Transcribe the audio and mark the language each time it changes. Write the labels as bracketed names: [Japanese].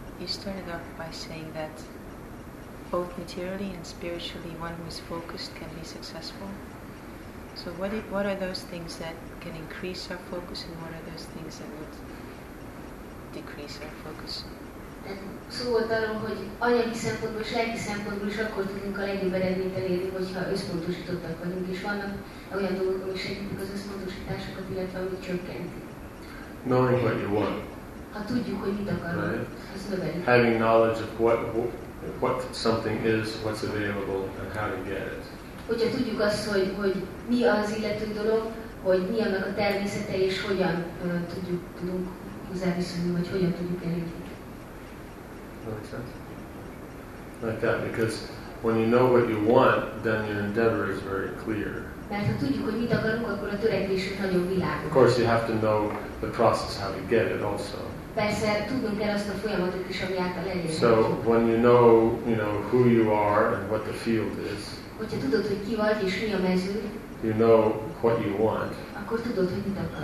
[English] You started off by saying that both materially and spiritually, one who is focused can be successful. So what are those things that can increase our focus, and what are those things that would decrease our focus? [Hungarian] Szóval arról, hogy anyagi szempontból és lelki szempontból is akkor tudunk a legjobb eredményt elérni, hogyha összpontosítottak vagyunk, és vannak olyan dolgok, ami segítik az összpontosításokat, illetve ami csökkenti. [English] Knowing what you want. [Hungarian] Ha tudjuk, hogy mit akarunk, az növeli. [English] Having knowledge of what something is, what's available, and how to get it. [Hungarian] Hogyha tudjuk azt, hogy mi az illető dolog, hogy mi annak a természete, és hogyan tudunk hozzáviszonyulni, vagy hogyan tudjuk elérni. [English] Like that, because when you know what you want, then your endeavor is very clear. [Hungarian] Mert ha tudjuk, hogy mit akarunk, akkor a törekvésünk nagyon világos. [English] Of course, you have to know the process how to get it also. [Hungarian] Persze, tudnunk kell azt a folyamatot is, ami által elérhető. [English] So, when you know who you are and what the field is, [Hungarian] hogyha tudod, hogy ki vagy és mi a mező, [English] you know what you want, [Hungarian] akkor tudod, hogy mit akarsz.